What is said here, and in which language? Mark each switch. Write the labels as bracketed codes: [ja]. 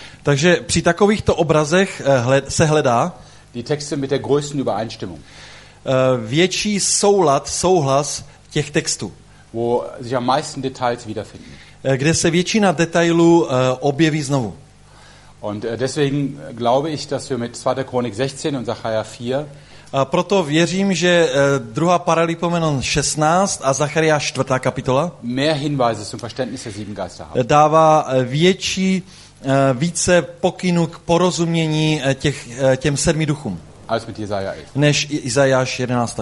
[cs] Takže při takovýchto obrazech se hledá [de] die Texte mit der größten Übereinstimmung. [cs] Větší souhlas těch textů, [de] wo sich am meisten Details wiederfinden. [cs] Kde se většina detailů objeví znovu. [de] Und deswegen glaube ich, dass wir mit 2. Chronik 16 und Zacharia 4. [cs] A proto věřím, že druhá Paralipomenon 16 a Zachariáš 4. kapitola [de] mehr Hinweise zum Verständnis der sieben Geister haben. [cs] Dává větší, více pokynů k porozumění těm sedmi duchům než Izajáš 11.